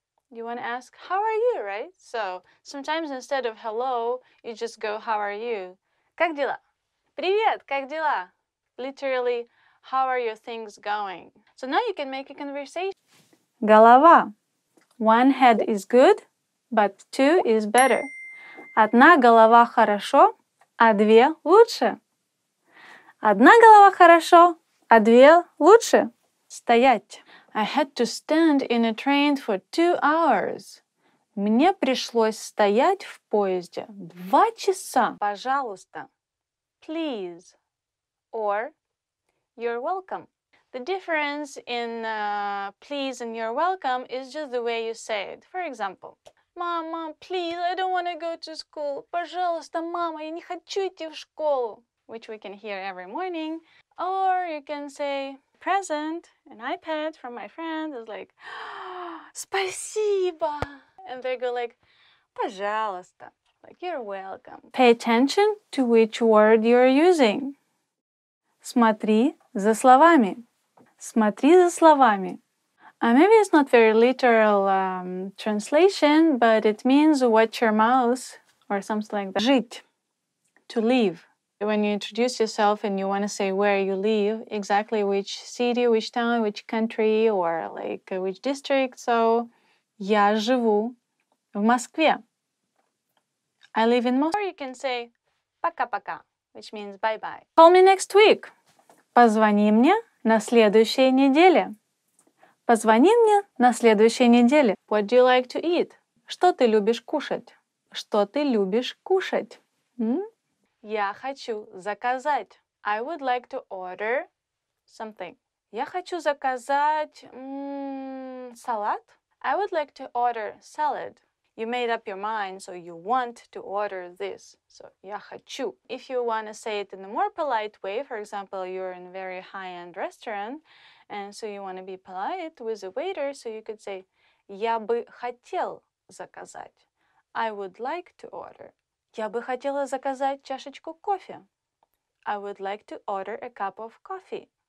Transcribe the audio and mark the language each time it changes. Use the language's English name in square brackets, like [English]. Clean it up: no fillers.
[English] You wanna ask, how are you, right? So sometimes instead of hello, you just go, how are you? [Russian] Как дела? Привет, как дела? [English] Literally, how are your things going? So now you can make a conversation. [Russian] Голова. [English] One head is good, but two is better. [Russian] Одна голова хорошо, а две лучше. Одна голова хорошо, а две лучше. Стоять. [English] I had to stand in a train for 2 hours. [Russian] Мне пришлось стоять в поезде 2 часа. Пожалуйста. [English] Please. Or, you're welcome. The difference in please and you're welcome is just the way you say it. For example, Мама, please, I don't want to go to school. [Russian] Пожалуйста, мама, я не хочу идти в школу. [English] Which we can hear every morning. Or you can say, present, an iPad from my friend is like, [Russian] спасибо. [English] And they go like, [Russian] пожалуйста. [English] Like, you're welcome. Pay attention to which word you're using. [Russian] Смотри за словами. Смотри за словами. [English] Maybe it's not very literal translation, but it means watch your mouth or something like that. [Russian] Жить. [English] To live. When you introduce yourself and you want to say where you live, exactly which city, which town, which country, or like which district. So, [Russian] я живу в Москве. [English] I live in Moscow. Or you can say [Russian] пока-пока, [English] which means bye-bye. Call me next week. [Russian] Позвони мне на следующей неделе. Позвони мне на следующей неделе. [English] What do you like to eat? [Russian] Что ты любишь кушать? Что ты любишь кушать? Я хочу заказать. [English] I would like to order something. [Russian] Я хочу заказать салат. [English] I would like to order salad. You made up your mind, so you want to order this. So, [Russian] я хочу. [English] If you want to say it in a more polite way, for example, you're in a very high-end restaurant, and so you want to be polite with the waiter, so you could say, [Russian] я бы хотел заказать. [English] I would like to order. [Russian] Я бы хотела заказать чашечку кофе. [English] I would like to order a cup of coffee.